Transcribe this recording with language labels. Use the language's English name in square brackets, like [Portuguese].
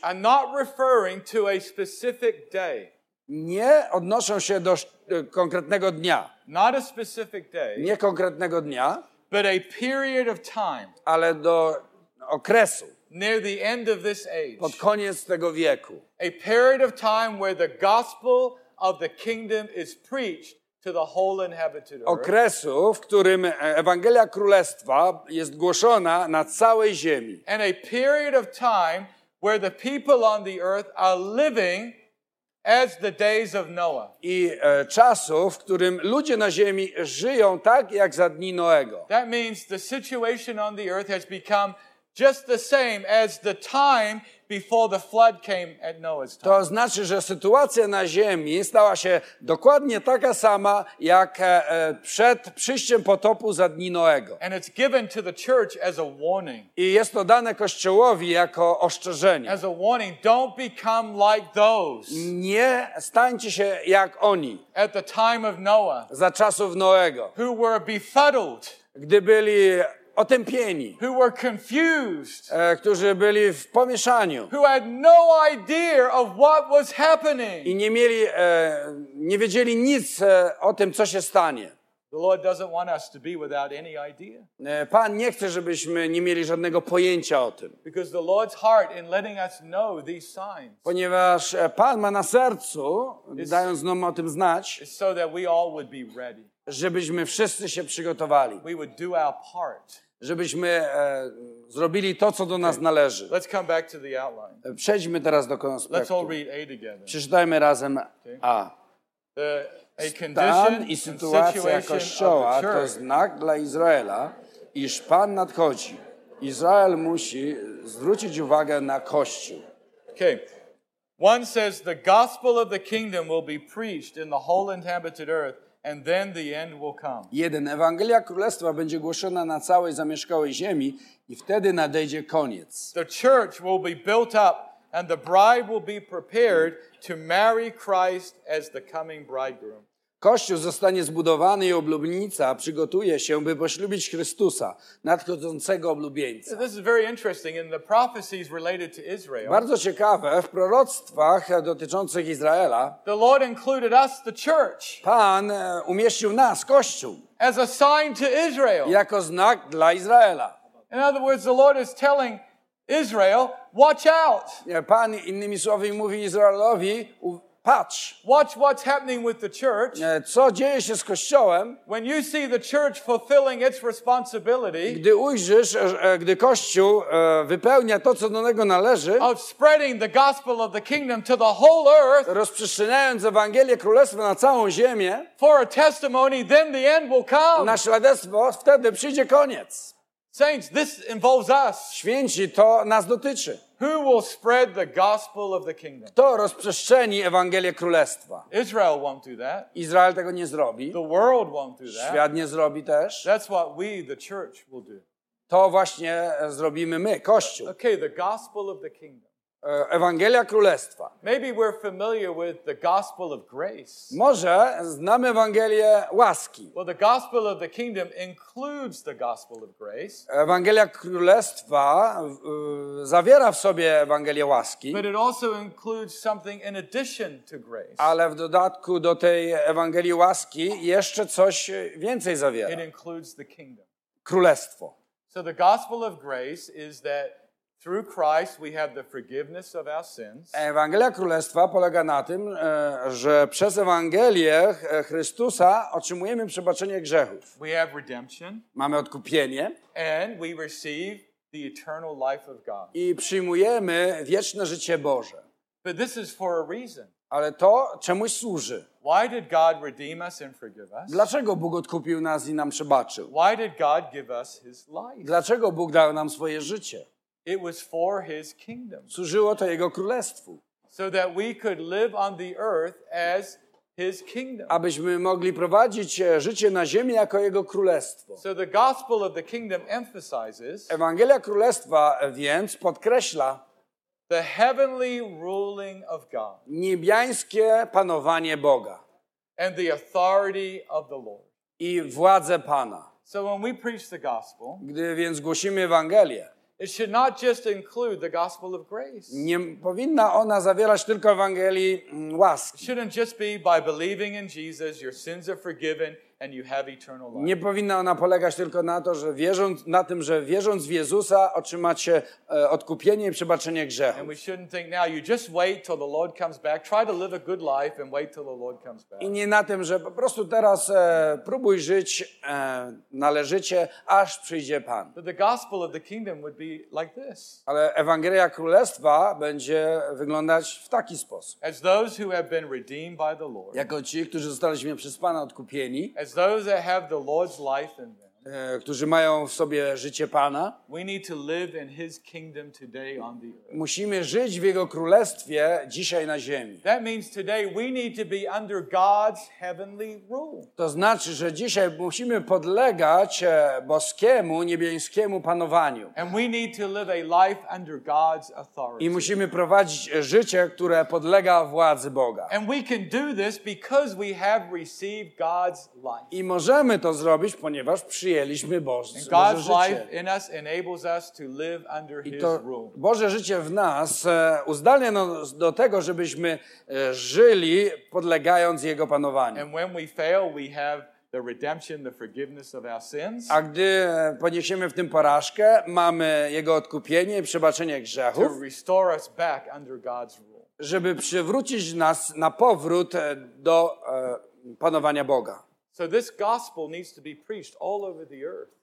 [English] are not referring to a specific day. [Polish] Nie odnoszą się do konkretnego dnia. [English] Not a specific day, [Polish] nie konkretnego dnia, [English] but a period of time, [Polish] ale do okresu. [English] Near the end of this age. [Polish] Pod koniec tego wieku. [English] A period of time where the gospel of the kingdom is preached to the whole inhabited earth. [Polish] Okresu, w którym Ewangelia Królestwa jest głoszona na całej ziemi. [English] And a period of time where the people on the earth are living as the days of Noah. [Polish] I czasu, w którym ludzie na ziemi żyją tak jak za dni Noego. [English] That means the situation on the earth has become just the same as the time before the flood came at Noah's time. [Polish] To znaczy, że sytuacja na ziemi stała się dokładnie taka sama jak przed przyjściem potopu za dni Noego. [English] And it's given to the church as a warning. [Polish] I jest to dane Kościołowi jako ostrzeżenie. [English] As a warning, don't become like those. [Polish] Nie stańcie się jak oni. [English] At the time of Noah. [Polish] Za czasów Noego. [English] Who were befuddled. [Polish] Gdy byli otępieni, [English] who were confused, [Polish] którzy byli w pomieszaniu, [English] who had no idea of what was happening, [Polish] i nie mieli, nie wiedzieli nic o tym, co się stanie. [English] The Lord doesn't want us to be without any idea. [Polish] Pan nie chce, żebyśmy nie mieli żadnego pojęcia o tym. [English] Because the Lord's heart in letting us know these signs. [Polish] Ponieważ Pan ma na sercu, dając nam o tym znać, [English] is so that we all would be ready. [Polish] Żebyśmy wszyscy się przygotowali. [English] We would do our part. [Polish] Żebyśmy zrobili to, co do nas należy. [English] Let's come back to the outline. [Polish] Przejdźmy teraz do konspektu. [English] Let's all read A together. [Polish] Przeczytajmy razem A. [English] A condition [Polish] i sytuacja Kościoła to znak dla Izraela, iż Pan nadchodzi. Izrael musi zwrócić uwagę na Kościół. [English] Okay. One says the gospel of the kingdom will be preached in the whole inhabited earth. And then the end will come. [Polish] Jeden, Ewangelia Królestwa będzie głoszona na całej zamieszkałej ziemi i wtedy nadejdzie koniec. [English] The church will be built up and the bride will be prepared to marry Christ as the coming bridegroom. [Polish] Kościół zostanie zbudowany i oblubienica przygotuje się, by poślubić Chrystusa, nadchodzącego oblubieńca. [English] This is very interesting in the prophecies related to Israel. [Polish] Bardzo ciekawe, w proroctwach dotyczących Izraela [English] the Lord included us, the church, [Polish] Pan umieścił nas, Kościół, [English] as a sign to Israel. [Polish] Jako znak dla Izraela. [English] In other words, the Lord is telling Israel, watch out! [Polish] Pan innymi słowy mówi Izraelowi, patrz. [English] Watch what's happening with the church. [Polish] Co dzieje się z Kościołem? [English] When you see the church fulfilling its responsibility. [Polish] Gdy ujrzysz, gdy Kościół wypełnia to, co do niego należy. [English] Of spreading the gospel of the kingdom to the whole earth. [Polish] Rozprzestrzeniając Ewangelię Królestwa na całą ziemię. [English] For a testimony, then the end will come. [Polish] Na świadectwo, wtedy przyjdzie koniec. [English] Saints, this involves us. [Polish] Święci, to nas dotyczy. [English] Who will spread the gospel of the kingdom? [Polish] Kto rozprzestrzeni Ewangelię Królestwa? [English] Israel won't do that. [Polish] Izrael tego nie zrobi. [English] The world won't do that. [Polish] Świat nie zrobi też. [English] That's what we, the church, will do. [Polish] To właśnie zrobimy my, Kościół. [English] Okay, the gospel of the kingdom. [Polish] Ewangelia Królestwa. [English] Maybe we're familiar with the gospel of grace. [Polish] Może znamy Ewangelię łaski. [English] Well, the gospel of the kingdom includes the gospel of grace. [Polish] Ewangelia Królestwa zawiera w sobie Ewangelię łaski. [English] But it also includes something in addition to grace. [Polish] Ale w dodatku do tej Ewangelii łaski jeszcze coś więcej zawiera. [English] It includes the kingdom. [Polish] Królestwo. [English] So the gospel of grace is that Through Christ we have the forgiveness of our sins. [Polish] Ewangelia Królestwa polega na tym, że przez Ewangelię Chrystusa otrzymujemy przebaczenie grzechów. [English] We have redemption. [Polish] Mamy odkupienie. [English] And we receive the eternal life of God. [Polish] I przyjmujemy wieczne życie Boże. [English] But this is for a reason. [Polish] Ale to czemuś służy. [English] Why did God redeem us and forgive us? [Polish] Dlaczego Bóg odkupił nas i nam przebaczył? [English] Why did God give us his life? [Polish] Dlaczego Bóg dał nam swoje życie? [English] It was for his kingdom. [Polish] Służyło to jego królestwu. [English] So that we could live on the earth as his kingdom. [Polish] Abyśmy mogli prowadzić życie na ziemi jako jego królestwo. [English] So the gospel of the kingdom emphasizes. [Polish] Ewangelia królestwa więc podkreśla [English] the heavenly ruling of God. [Polish] Niebiańskie panowanie Boga. [English] And the authority of the Lord. [Polish] I władzę Pana. [English] So when we preach the gospel, [Polish] gdy więc głosimy Ewangelię, [English] it should not just include the gospel of grace. [Polish] Nie powinna ona zawierać tylko Ewangelii łaski. [English] It shouldn't just be by believing in Jesus your sins are forgiven and you have eternal life. [Polish] Nie powinna ona polegać tylko na to, że wierząc na tym, że wierząc w Jezusa otrzymacie odkupienie i przebaczenie grzechów. [English] And we shouldn't think now you just wait till the Lord comes back. Try to live a good life and wait till the Lord comes back. [Polish] I nie na tym, że po prostu teraz próbuj żyć należycie, aż przyjdzie Pan. [English] But the gospel of the kingdom would be like this. [Polish] Ale Ewangelia Królestwa będzie wyglądać w taki sposób. [English] As those who have been redeemed by the Lord. [Polish] Jako ci, którzy zostaliśmy przez Pana odkupieni. [English] As those that have the Lord's life in them, [Polish] którzy mają w sobie życie Pana, [English] we need to live in his kingdom today on the earth. [Polish] Musimy żyć w jego królestwie dzisiaj na ziemi. [English] That means today we need to be under God's heavenly rule. [Polish] To znaczy, że dzisiaj musimy podlegać boskiemu, niebiańskiemu panowaniu. [English] And we need to live a life under God's authority. [Polish] I musimy prowadzić życie, które podlega władzy Boga. [English] And we can do this because we have received God's life. [Polish] I możemy to zrobić, ponieważ przyjęliśmy Boże życie. [English] God's life in us enables us to live under his rule. [Polish] Boże życie w nas uzdalnia nas do tego, żebyśmy żyli podlegając jego panowaniu. [English] And when we fail, we have the redemption, the forgiveness of our sins. [Polish] A gdy poniesiemy w tym porażkę, mamy jego odkupienie i przebaczenie grzechów. [English] To restore us back under God's rule. [Polish] Żeby przywrócić nas na powrót do panowania Boga. [English] So this gospel needs to be preached all over the earth.